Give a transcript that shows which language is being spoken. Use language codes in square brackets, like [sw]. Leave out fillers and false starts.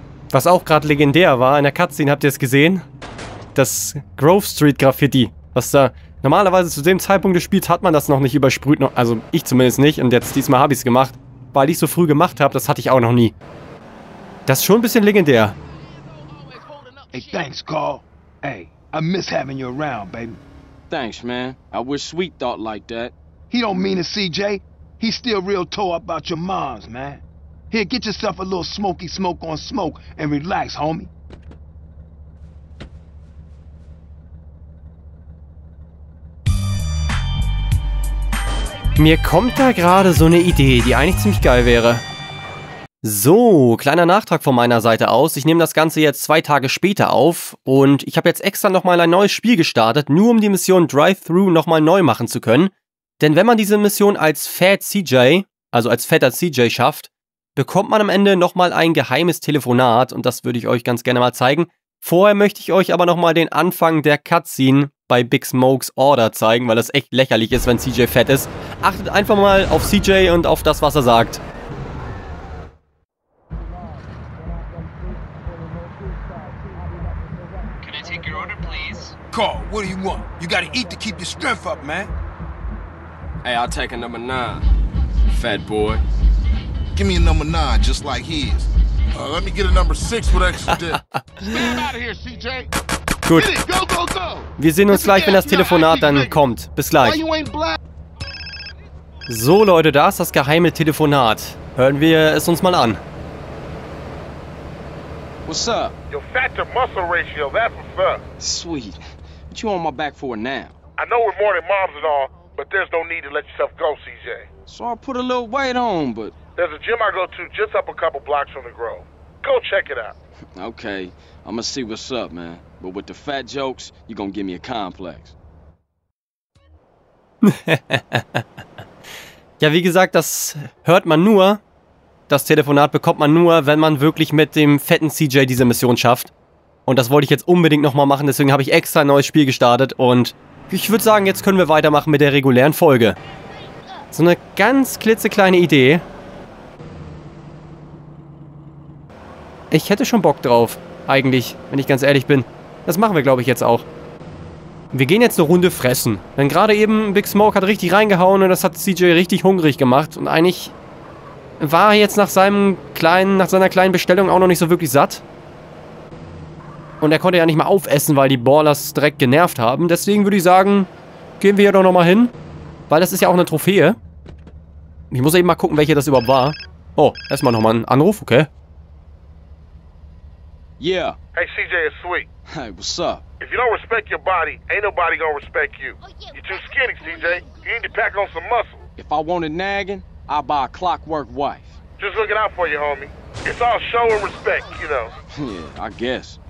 [de] Was auch gerade legendär war, in der Cutscene, habt ihr es gesehen? Das Grove Street Graffiti, was da normalerweise zu dem Zeitpunkt des Spiels hat man das noch nicht übersprüht, also ich zumindest nicht, und jetzt diesmal habe ich es gemacht, weil ich es so früh gemacht habe, das hatte ich auch noch nie. Das ist schon ein bisschen legendär. [en] Hey, thanks, Carl. Hey, I miss having you around, baby. Thanks, man. I wish Sweet thought like that. He don't mean it, CJ. He's still real tore up about your moms, man. Here, get yourself a little smoky smoke on smoke and relax, homie. [de] Mir kommt da gerade so eine Idee, die eigentlich ziemlich geil wäre. So, kleiner Nachtrag von meiner Seite aus. Ich nehme das Ganze jetzt 2 Tage später auf und ich habe jetzt extra nochmal ein neues Spiel gestartet, nur um die Mission Drive-Thru nochmal neu machen zu können. Denn wenn man diese Mission als Fat CJ, also als fetter CJ schafft, bekommt man am Ende nochmal ein geheimes Telefonat und das würde ich euch ganz gerne mal zeigen. Vorher möchte ich euch aber nochmal den Anfang der Cutscene bei Big Smokes Order zeigen, weil das echt lächerlich ist, wenn CJ fett ist. Achtet einfach mal auf CJ und auf das, was er sagt. [en] Can I take your order, please? Carl, what do you want? You gotta eat to keep your strength up, man. Hey, I'll take a number 9, fat boy. Give me a number 9, just like his. Let me get a number 6 with extra dip. Stay out of here, CJ! [de] Gut. Wir sehen uns gleich, wenn das Telefonat dann kommt. Bis gleich. So, Leute, da ist das geheime Telefonat. Hören wir es uns mal an. [en] What's up? Your fat to muscle ratio, that's what's up. Sweet. What you on my back for now? I know we're more than moms and all, but there's no need to let yourself go, CJ. So I put a little weight on, but... There's a gym I go to just up a couple blocks from the Grove. Go check it out. Okay, I'ma see what's up, man. But with the fat jokes, you gonna give me a complex. [de] Ja, wie gesagt, das hört man nur. Das Telefonat bekommt man nur, wenn man wirklich mit dem fetten CJ diese Mission schafft. Und das wollte ich jetzt unbedingt nochmal machen, deswegen habe ich extra ein neues Spiel gestartet. Und ich würde sagen, jetzt können wir weitermachen mit der regulären Folge. So eine ganz klitzekleine Idee. Ich hätte schon Bock drauf, eigentlich, wenn ich ganz ehrlich bin. Das machen wir, glaube ich, jetzt auch. Wir gehen jetzt eine Runde fressen. Denn gerade eben Big Smoke hat richtig reingehauen und das hat CJ richtig hungrig gemacht. Und eigentlich war er jetzt nach seiner kleinen Bestellung auch noch nicht so wirklich satt. Und er konnte ja nicht mal aufessen, weil die Ballers direkt genervt haben. Deswegen würde ich sagen, gehen wir hier doch nochmal hin. Weil das ist ja auch eine Trophäe. Ich muss eben mal gucken, welche das überhaupt war. Oh, erstmal nochmal ein Anruf, okay. [en] Yeah. Hey, CJ, it's Sweet. Hey, what's up? If you don't respect your body, ain't nobody gonna respect you. You're too skinny, CJ. You need to pack on some muscle. If I wanted nagging, I'd buy a clockwork wife. Just looking out for you, homie. It's all show and respect, you know. Yeah, I guess.